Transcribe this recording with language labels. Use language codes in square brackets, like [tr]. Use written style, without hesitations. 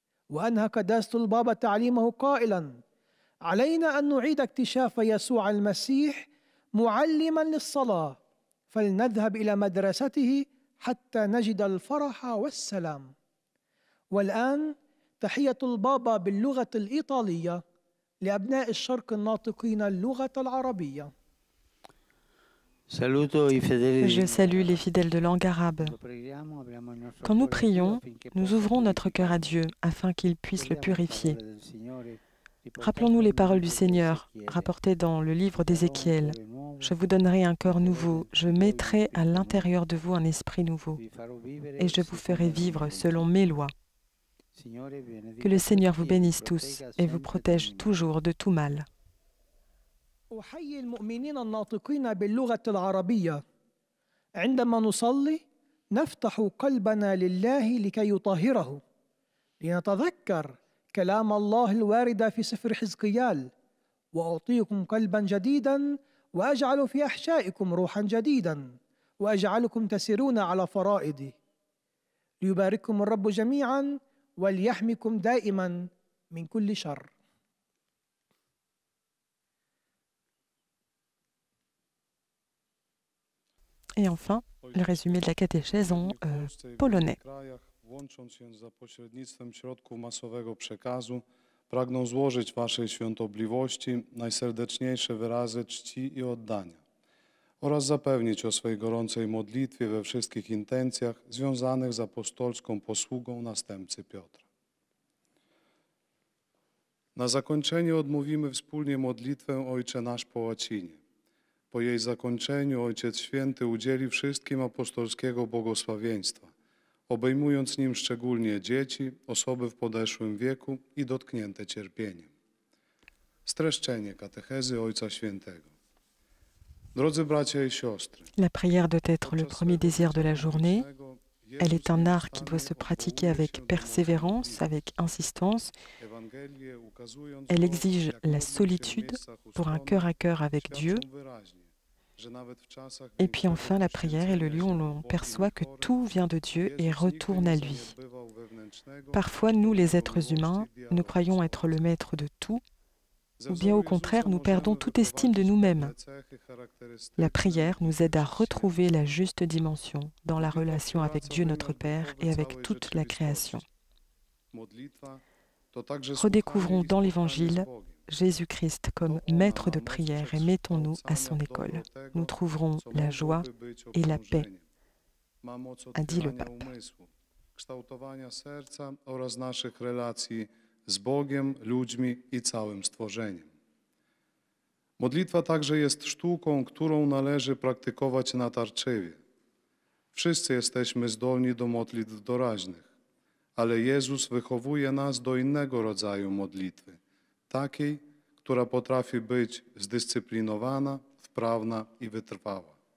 [ar] وأنهى قداسة البابا تعليمه قائلا: علينا أن نعيد اكتشاف يسوع المسيح معلما للصلاة، فلنذهب إلى مدرسته حتى نجد الفرح والسلام. والآن تحية البابا باللغة الإيطالية لأبناء الشرق الناطقين اللغة العربية. [fr] Je salue les fidèles de langue arabe. Quand nous prions, nous ouvrons notre cœur à Dieu afin qu'il puisse le purifier. Rappelons-nous les paroles du Seigneur rapportées dans le livre d'Ézéchiel. Je vous donnerai un cœur nouveau, je mettrai à l'intérieur de vous un esprit nouveau et je vous ferai vivre selon mes lois. Que le Seigneur vous bénisse tous et vous protège toujours de tout mal. [ar] أحيي المؤمنين الناطقين باللغة العربية. عندما نصلي نفتح قلبنا لله لكي يطهره، لنتذكر كلام الله الواردة في سفر حزقيال: وأعطيكم قلبا جديدا وأجعل في أحشائكم روحا جديدا وأجعلكم تسيرون على فرائضي. ليبارككم الرب جميعا وليحميكم دائما من كل شر. [fr] Et enfin, le résumé de la catéchèse en polonais. [pl] Łącząc się za pośrednictwem środków masowego przekazu, pragnę złożyć Waszej świątobliwości najserdeczniejsze wyrazy czci i oddania oraz zapewnić o swojej gorącej modlitwie we wszystkich intencjach związanych z apostolską posługą następcy Piotra. Na zakończenie odmówimy wspólnie modlitwę Ojcze Nasz po łacinie. Po jej zakończeniu Ojciec Święty udzieli wszystkim apostolskiego błogosławieństwa, obejmując nim szczególnie dzieci, osoby w podeszłym wieku i dotknięte cierpieniem. Streszczenie katechezy Ojca Świętego. Drodzy bracia i siostry, [fr] la prière doit être le premier désir de la journée. Elle est un art qui doit se pratiquer avec persévérance, avec insistance. Elle exige la solitude pour un cœur à cœur avec Dieu. Et puis enfin, la prière est le lieu où l'on perçoit que tout vient de Dieu et retourne à lui. Parfois, nous, les êtres humains, nous croyons être le maître de tout, ou bien au contraire, nous perdons toute estime de nous-mêmes. La prière nous aide à retrouver la juste dimension dans la relation avec Dieu notre Père et avec toute la création. Redécouvrons dans l'Évangile Jésus-Christ comme maître de prière et mettons-nous à son école. Nous trouverons la joie et la paix, a dit le pape. [pl] Z Bogiem, ludźmi i całym stworzeniem. Modlitwa także jest sztuką, którą należy praktykować natarczywie. Wszyscy jesteśmy zdolni do modlitw doraźnych, ale Jezus wychowuje nas do innego rodzaju modlitwy, takiej, która potrafi być zdyscyplinowana, wprawna i wytrwała.